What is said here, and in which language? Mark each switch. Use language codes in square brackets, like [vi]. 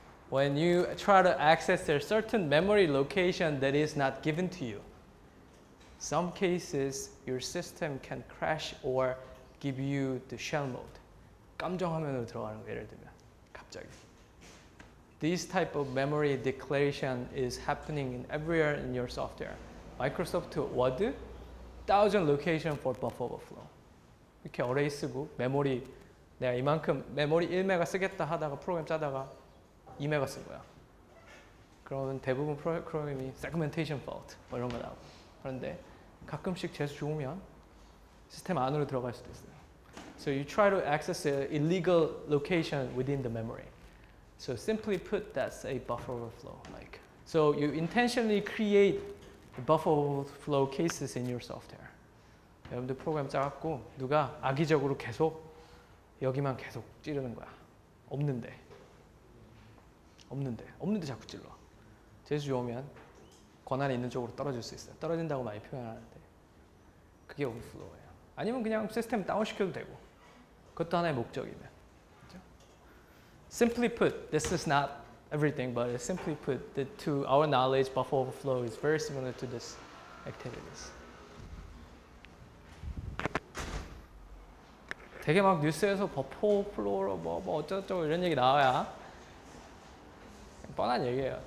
[en] When you try to access a certain memory location that is not given to you, some cases your system can crash or give you the shell mode. [ko] 감정화면으로 들어가는 거 예를 들면 갑자기. [en] This type of memory declaration is happening in everywhere in your software. Microsoft Word, 1000 location for buffer overflow. [ko] 이렇게 array 쓰고 메모리 내가 이만큼 메모리 1메가 쓰겠다 하다가 프로그램 짜다가 2메가 쓴 거야. 그러면 대부분 프로그램이 segmentation fault 뭐 이런 거 나오고. 그런데 가끔씩 재수 좋으면 시스템 안으로 들어갈 수도 있어요. [en] So you try to access an illegal location within the memory. So simply put, that's a buffer overflow. Like, so you intentionally create the buffer overflow cases in your software. [ko] 여러분들 프로그램 짜갖고 누가 악의적으로 계속 여기만 계속 찌르는 거야. 없는데 자꾸 찔러. 재수 좋으면 권한이 있는 쪽으로 떨어질 수 있어요. 떨어진다고 많이 표현하는데 그게 overflow예요. 아니면 그냥 시스템 다운시켜도 되고 그것도 하나의 목적이면. 그렇죠? [en] Simply put, this is not everything, but simply put, to our knowledge, buffer overflow is very similar to this activities. [ko] 되게 막 뉴스에서 버퍼 플로우로 뭐 어쩌고저쩌고 이런 얘기 나와야 뻔한 얘기예요.